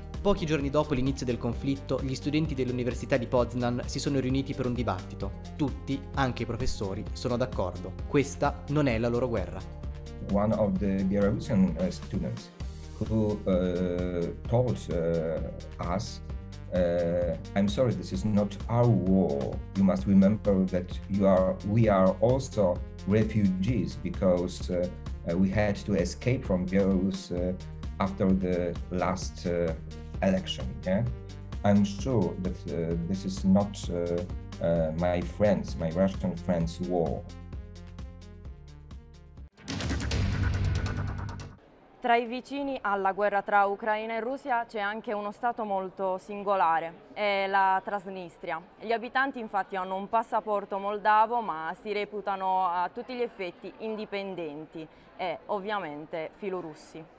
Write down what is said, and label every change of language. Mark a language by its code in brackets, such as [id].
[it] Pochi giorni dopo l'inizio del conflitto, gli studenti dell'Università di Poznań si sono riuniti per un dibattito. Tutti, anche i professori, sono d'accordo. Questa non è la loro guerra. [en] One of the Belarusian students who told us, I'm sorry, this is not our war. You must remember that we are also refugees because we had to escape from Belarus after the last election. Yeah, I'm sure that this is not my friends, my Russian friends' war. [it] Tra i vicini alla guerra tra Ucraina e Russia c'è anche uno stato molto singolare, è la Transnistria. Gli abitanti infatti hanno un passaporto moldavo, ma si reputano a tutti gli effetti indipendenti e ovviamente filorussi.